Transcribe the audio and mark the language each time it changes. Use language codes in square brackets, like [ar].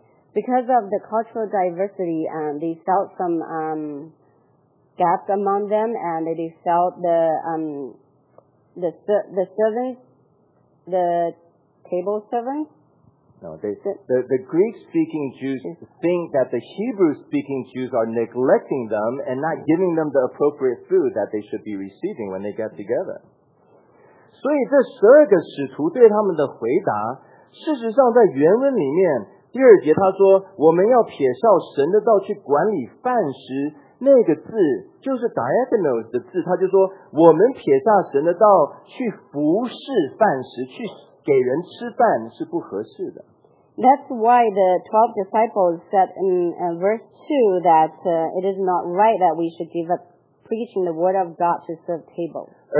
[en] Because of the cultural diversity, they felt some gaps among them, and they felt the servants, the table servants. No, the Greek speaking Jews think that the Hebrew speaking Jews are neglecting them and not giving them the appropriate food that they should be receiving when they get together. [zh] 所以这十二个使徒对他们的回答，事实上在原文里面。第二节他说,我们要撇下神的道去管理饭食,那个字就是 diagonals 的字,他就说,我们撇下神的道去服侍饭食,去给人吃饭是不合适的。 [en] That's why the 12 disciples said in verse 2 that it is not right that we should give up preaching the word of God to serve tables.